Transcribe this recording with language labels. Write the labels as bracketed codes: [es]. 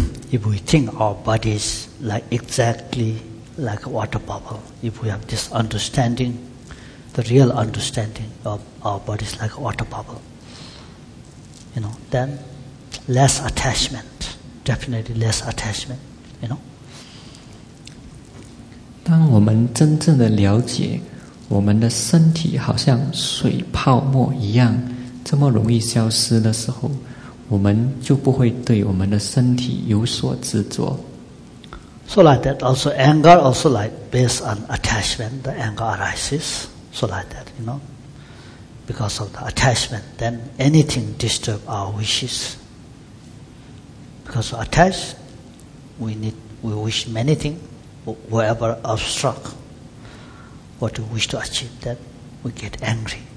[en] If we think our bodies like exactly like a water bubble, if we have this understanding, the real understanding of our bodies like a water bubble, you know, then less attachment, definitely less attachment, you know. [zh] 当我们真正的了解我们的身体好像水泡沫一样这么容易消失的时候，我们就不会对我们的身体有所执着。 [en] So like that also anger also like based on attachment the anger arises. So like that, you know, because of the attachment then anything disturb our wishes. Because of attached we wish many thingsWhatever obstruct what you wish to achieve, that we get angry.